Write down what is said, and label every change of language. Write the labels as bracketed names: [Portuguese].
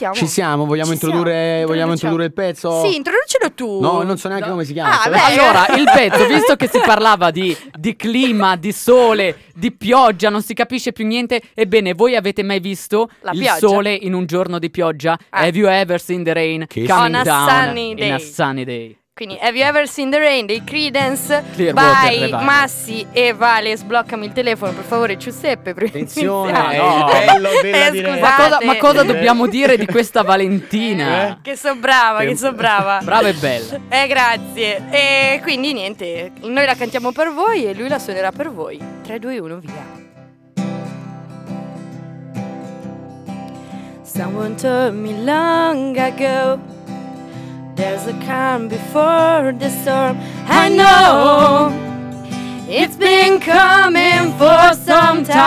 [Italian] Ci siamo, vogliamo introdurre il pezzo? Sì, introducilo tu. No, non so neanche come si chiama. Allora, il pezzo, visto che si parlava di clima, di sole, di pioggia, non si capisce più niente. Ebbene, voi avete mai visto il sole in un giorno di pioggia? [English] Have you ever seen the rain coming down in a sunny day? Quindi, have you ever seen the rain? [Italian] Dei Creedence. Clearwater Revival. Massi e Vale, sbloccami il telefono, per favore, Giuseppe. Attenzione, bella ma cosa dobbiamo dire di questa Valentina? Che so brava, che so brava. Brava e bella. Grazie. E quindi, niente, noi la cantiamo per voi e lui la suonerà per voi. 3, 2, 1, via. [English] Someone told me long ago, there's a calm before the storm. I know it's been coming for some